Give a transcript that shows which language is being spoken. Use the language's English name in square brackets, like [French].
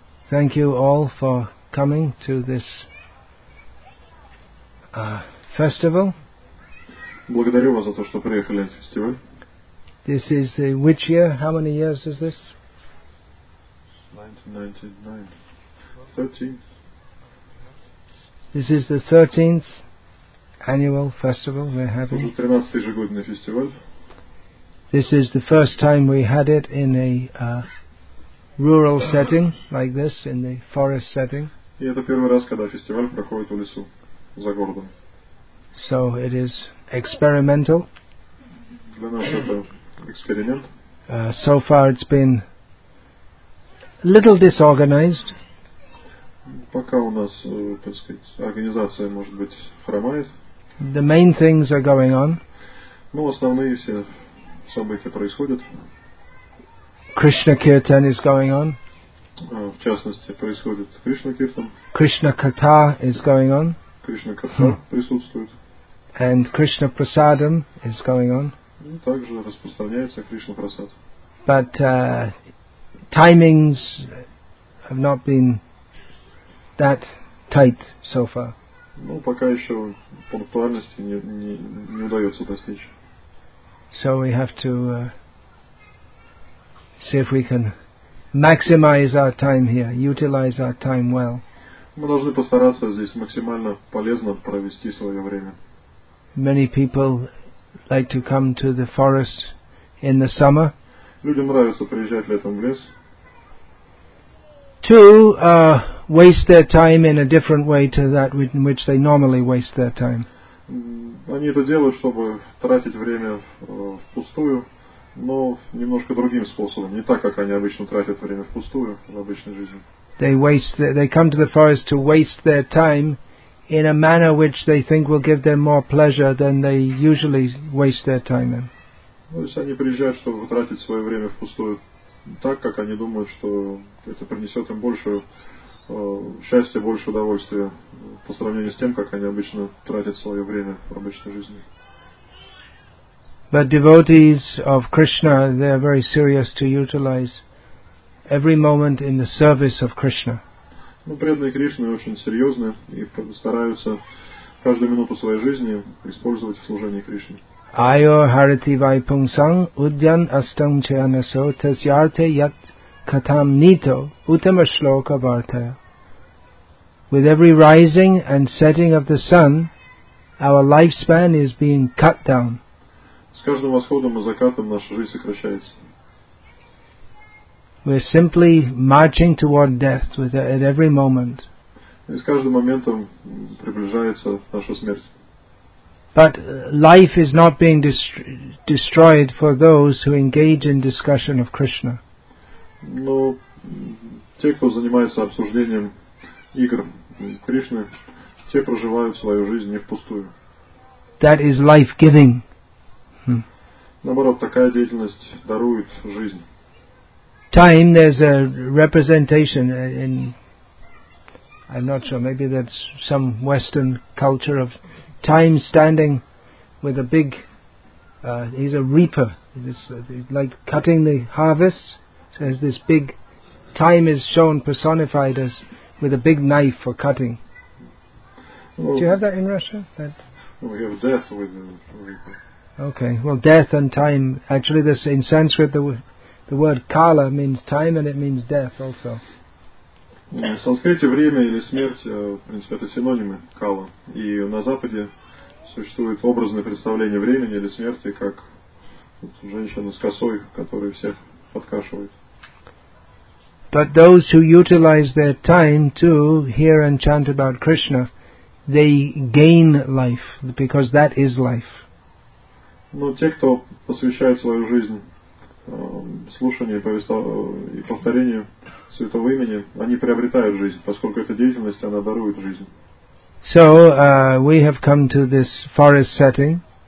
[English] Thank you all for coming to this festival. [Russian] Благодарю вас за то, что приехали на фестиваль. [English] This is the which year? How many years is this? 1999. 13th. This is the 13th annual festival we're having. [Russian] Это 13-й ежегодный фестиваль. [English] This is the first time we had it in a rural setting like this, in the forest setting. [Russian] И это первый раз, когда фестиваль проходит в лесу, за городом. [English] So it is experimental. [Russian] Для нас это эксперимент. [English] So far it's been a little disorganized. [Russian] Пока у нас, так сказать, организация, может быть, хромает. [English] The main things are going on. [Russian] Ну, основные все события происходят. [English] Krishna Kirtan is going on. [Russian] В частности, происходит Krishna Kirtan. [English] Krishna Katha is going on. [Russian] Krishna Katha присутствует. [English] And Krishna Prasadam is going on. [Russian] Также распространяется Krishna Prasad. [English] But timings have not been that tight so far. [Russian] Ну, пока еще пунктуальности не удается достичь. [English] So we have to see if we can maximize our time here, utilize our time well. [Russian] Мы должны постараться здесь максимально полезно провести свое время. [English] Many people like to come to the forest in the summer. [Russian] Людям нравится приезжать летом в лес. [English] To waste their time in a different way to that in which they normally waste their time. [Russian] Они это делают, чтобы тратить время впустую, но немножко другим способом, не так, как они обычно тратят время впустую в обычной жизни. [English] They come to the forest to waste their time in a manner which they think will give them more pleasure than they usually waste their time in. [Russian] То есть они приезжают, чтобы тратить свое время впустую, так, как они думают, что это принесет им больше счастья, больше удовольствия по сравнению с тем, как они обычно тратят свое время в обычной жизни. [English] But devotees of Krishna, they are very serious to utilize every moment in the service of Krishna. [Russian] Ну, преданные Кришны очень серьезны и стараются каждую минуту своей жизни использовать в служении Кришне. [Sanskrit] Айо харити вайпунсан удьян астам чаянасо тасьярте ят катам нито утама шлока вартая. [English] With every rising and setting of the sun, our lifespan is being cut down. [Russian] С каждым восходом и закатом наша жизнь сокращается. [English] We are simply marching toward death with at every moment. [Russian] И с каждым моментом приближается наша смерть. [English] But life is not being destroyed for those who engage in discussion of Krishna. [Russian] Но те, кто занимается обсуждением игр Кришны, те проживают свою жизнь не впустую. [English] That is life-giving. [Russian] Наоборот, такая деятельность дарует жизнь. [English] Time, there's a representation in, I'm not sure, maybe that's some Western culture of time standing with a big, he's a reaper, it's like cutting the harvest, so there's this big, time is shown personified as with a big knife for cutting. Well, do you have that in Russia? That? Well, we have death with a reaper. Okay, well, death and time, actually this in Sanskrit, the word kala means time and it means death also. [Russian] В санскрите время или смерть, в принципе, это синонимы кала. И на Западе существует образное представление времени или смерти, как женщина с косой, которая всех подкашивает. [English] But those who utilize their time to hear and chant about Krishna, they gain life, because that is life. [Russian] Но те, кто посвящает свою жизнь слушание и повторение святого имени, они приобретают жизнь, поскольку эта деятельность, она дарует жизнь. [English] So, we have come to this forest setting.